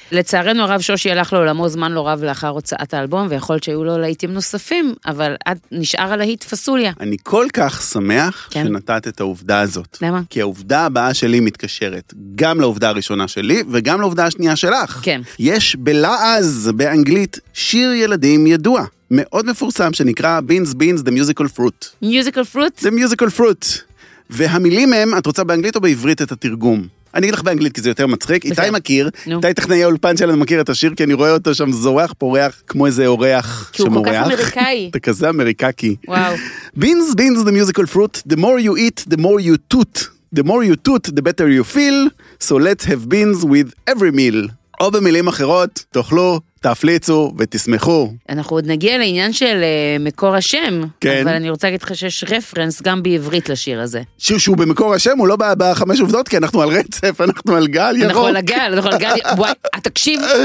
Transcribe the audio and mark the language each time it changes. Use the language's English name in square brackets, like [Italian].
[Hebrew] לצערנו הרב שושי הלך לעולמו זמן לא רב לאחר הוצאת האלבום, ויכול שהיו לו להיטים נוספים, אבל עד נשאר על ההיט פסוליה. אני כל כך שמח שנתת את העובדה הזאת. למה? כי העובדה הבאה שלי מתקשרת גם לעובדה הראשונה שלי, וגם לעובדה השנייה שלך. כן. יש בלעז באנגלית שיר ילדים ידוע. מאוד מפורסם שנקרא Beans Beans The Musical Fruit. [English] Musical Fruit? The Musical Fruit. [Hebrew] והמילים הם, את רוצה באנגלית או בעברית את התרגום? אני אגיד לך באנגלית כי זה יותר מצחיק. איתי מכיר, איתי טכנאי אולפן שלנו מכיר את השיר, כי אני רואה אותו שם זורח פורח כמו איזה אורח שמורח. כי הוא כל כך אמריקאי. אתה כזה אמריקאקי. וואו. [English] Beans Beans The Musical Fruit, The more you eat, the more you toot. The more you toot, the better you feel. So let's have beans with every meal. [Hebrew] או במילים אחרות, תאכלו, תפליצו ותשמחו. אנחנו עוד נגיע לעניין של מקור השם, כן. אבל אני רוצה להגיד לך שיש רפרנס גם בעברית לשיר הזה. שיר שהוא במקור השם, הוא לא בא בחמש עובדות, כי אנחנו על רצף, אנחנו על גל ירוק. אנחנו על הגל, אנחנו על גל ירוק. וואי, התקשיב.